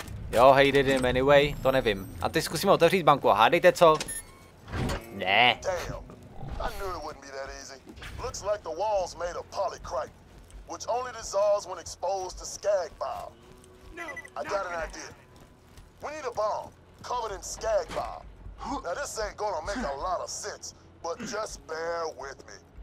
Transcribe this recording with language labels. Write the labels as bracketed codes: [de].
[cs] Jo, hej, [en] did him anyway, [cs] to nevím. A teď zkusíme otevřít banku a hádejte co? Ne. Damn. [en] I knew it wouldn't be that easy. Looks like the walls made of polycrite, which only dissolves when exposed to skag bile. No, I got an idea. We need a bomb covered in skag bile. Now this ain't gonna make a lot of sense, but just bear with me.